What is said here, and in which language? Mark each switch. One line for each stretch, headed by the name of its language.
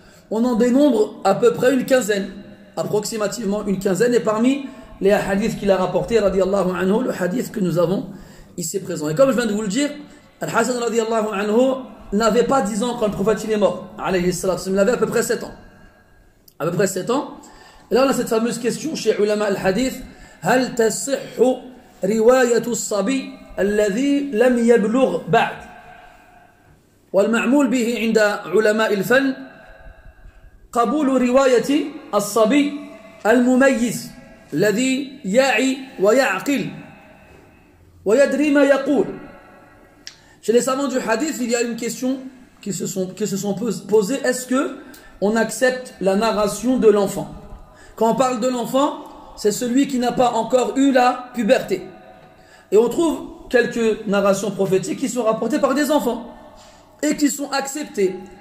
French: On en dénombre à peu près une quinzaine, approximativement une quinzaine, et parmi les hadiths qu'il a rapportés, radiallahu anhu, le hadith que nous avons ici présent. Et comme je viens de vous le dire, Al-Hassan radiallahu anhu n'avait pas 10 ans quand le prophète il est mort, alayhi sallam, il avait à peu près 7 ans. À peu près 7 ans. Et là on a cette fameuse question chez ulama al-hadith,
Arabic: هل تصح رواية الصبي الذي لم يبلغ بعد والمعمول به عند علماء الفن قبول رواية الصبي المميز الذي يعي ويعقل ويدري ما يقول.
French: Chez les savants du hadith, il y a une question qui se sont posées. Est-ce que on accepte la narration de l'enfant? Quand on parle de l'enfant, c'est celui qui n'a pas encore eu la puberté. Et on trouve quelques narrations prophétiques qui sont rapportées par des enfants et qui sont acceptées.